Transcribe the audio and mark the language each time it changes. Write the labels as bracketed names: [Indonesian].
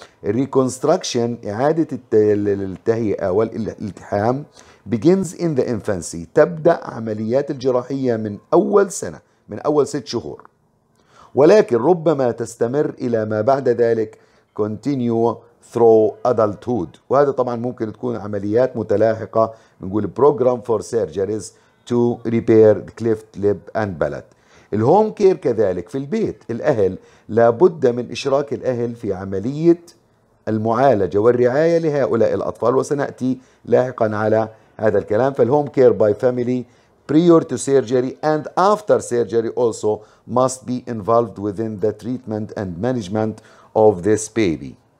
[English] الريكونستراكشن [Arabic] إعادة التهيئة والالتحام [English] begins in the infancy. [Arabic] تبدأ عمليات الجراحية من أول سنة، من أول 6 شهور، ولكن ربما تستمر إلى ما بعد ذلك [English] continue through adulthood. [Arabic] وهذا طبعا ممكن تكون عمليات متلاحقة، نقول [English] program for surgeries to repair the cleft lip and palate. [Arabic] الهوم كير كذلك في البيت، الأهل لابد من إشراك الأهل في عملية المعالجة والرعاية لهؤلاء الأطفال، وسنأتي لاحقا على هذا الكلام. [English] فالهوم care by family prior to surgery and after surgery also must be involved within the treatment and management of this baby.